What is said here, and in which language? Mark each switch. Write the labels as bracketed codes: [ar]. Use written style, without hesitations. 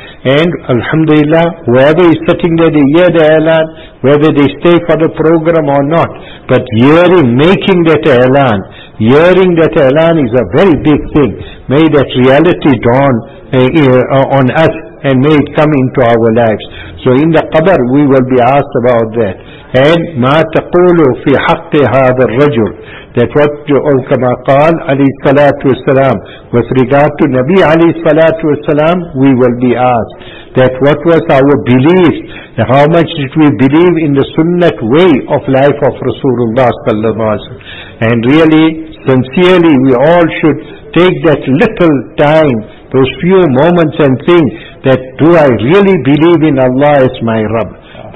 [en] And Alhamdulillah, whoever is sitting there, they hear the Alan, whether they stay for the program or not. But hearing, making that Alan, hearing that Alan is a very big thing. May that reality dawn on us, and may it come into our lives. So in the qabr we will be asked about that. And [ar] مَا تَقُولُ فِي حَقِّ هَذَا الرَّجُلُ, [en] that what [ar] كَمَا قَالْ عَلَيْهِ الصَّلَاةُ وَالسَّلَامُ, [en] with regard to Nabi [ar] عَلَيْهِ الصَّلَاةُ وَالسَّلَامُ, [en] we will be asked. that what was our belief, how much did we believe in the sunnat way of life of Rasulullah sallallahu alaihi wasallam. And really, sincerely, we all should take that little time, those few moments, and think that, do I really believe in Allah as my Rabb?